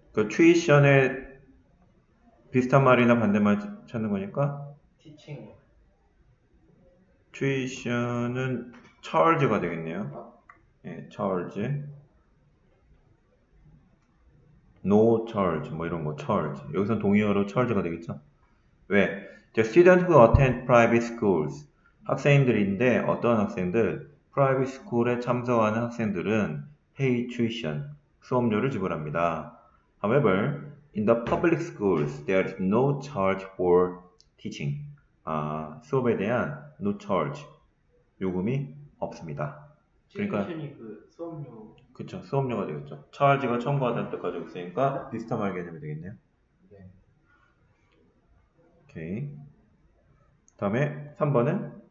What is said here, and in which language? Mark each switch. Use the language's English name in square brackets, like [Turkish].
[Korean] 그 tuition에 비슷한 말이나 반대말 찾는 거니까 [English] Teaching [Korean] tuition은 charge가 되겠네요. 예, charge. No charge, 뭐 이런 거, charge. 여기서 동의어로 charge가 되겠죠? 왜? [English] The students who attend private schools. [Korean] 학생들인데, 어떤 학생들? private school에 참석하는 학생들은 pay tuition, 수업료를 지불합니다. [English] However, in the public schools, there is no charge for teaching. [Korean] 아, 수업에 대한 no charge, 요금이 없습니다. 그러니까, 튜이션이 그 수업료 그쵸, 수업료가 되겠죠. 차지가 청구하다는 뜻까지 있으니까 비슷한 말 개념이 되겠네요. 오케이. 다음에 3번은